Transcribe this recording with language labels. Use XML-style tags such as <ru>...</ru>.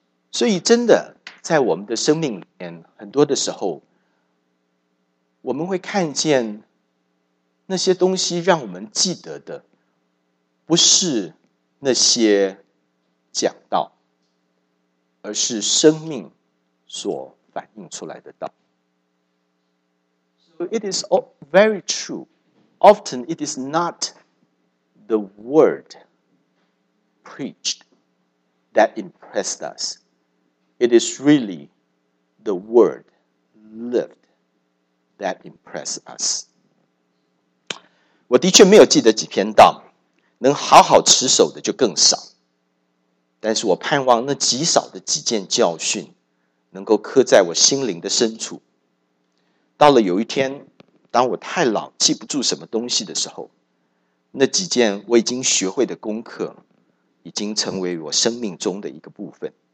<zh>所以真的在我们的生命里面，很多的时候我们会看见那些东西让我们记得的不是那些讲道，而是生命所反映出来的道。</zh> <en>So it is very true. Often it is not the word preached that impressed us. It is really the word lived that impressed us.</en> <zh>我的确没有记得几篇道，能好好持守的就更少。但是我盼望那极少的几件教训能够刻在我心灵的深处。到了有一天，当我太老记不住什么东西的时候，那几件我已经学会的功课已经成为我生命中的一个部分。</zh>